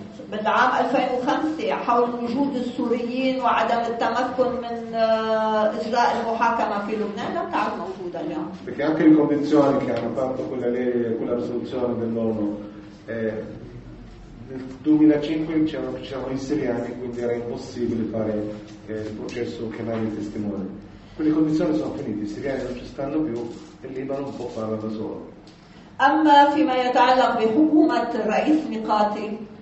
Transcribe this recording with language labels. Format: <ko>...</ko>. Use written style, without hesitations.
<ar>بالعام 2005 حول وجود السوريين وعدم التمكن من إجراء المحاكمة في لبنان لم تعد موجودة اليوم.</ar> <it>Perché anche le condizioni che hanno fatto quella legge, quella risoluzione dell'ONU nel 2005 c'erano i siriani, quindi era impossibile fare il processo che chiamare i testimoni. Quelle condizioni sono finite, i siriani non ci stanno più e il Libano può farla da solo.</it> <ar>أما فيما يتعلق بحكومة الرئيس ميقاتي</ar>